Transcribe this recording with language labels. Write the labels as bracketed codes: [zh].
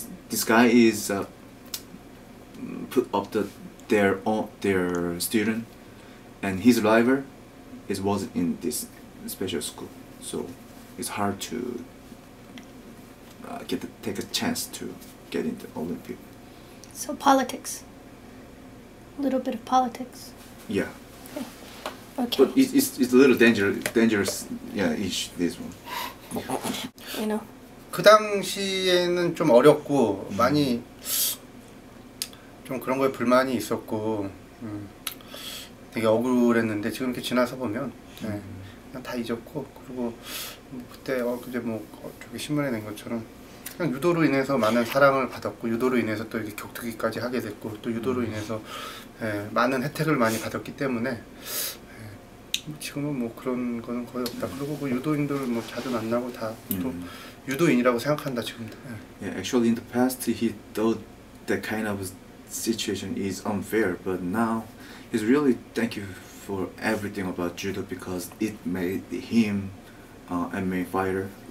[en] This guy is put up their student, and his rival wasn't in this special school, so it's hard to take a chance to get into Olympic. So politics, a little bit of politics. Yeah. Okay. But it's a little dangerous yeah ish this one. You know. [ko] 그 당시에는 좀 어렵고 많이 좀 그런 거에 불만이 있었고 되게 억울했는데 지금 이렇게 지나서 보면 그냥 다 잊었고 그리고 그때 엊그제 뭐 저기 신문에 낸 것처럼 그냥 유도로 인해서 많은 사랑을 받았고 유도로 인해서 또 이렇게 격투기까지 하게 됐고 또 유도로 인해서 많은 혜택을 많이 받았기 때문에 지금은 뭐 그런 거는 거의 없다. 그리고 그 유도인들 뭐 자주 만나고 다 또 유도인이라고 생각한다 지금도. [en] Yeah, actually in the past he thought that kind of situation is unfair, but now he's really thank you for everything about judo because it made him MMA fighter.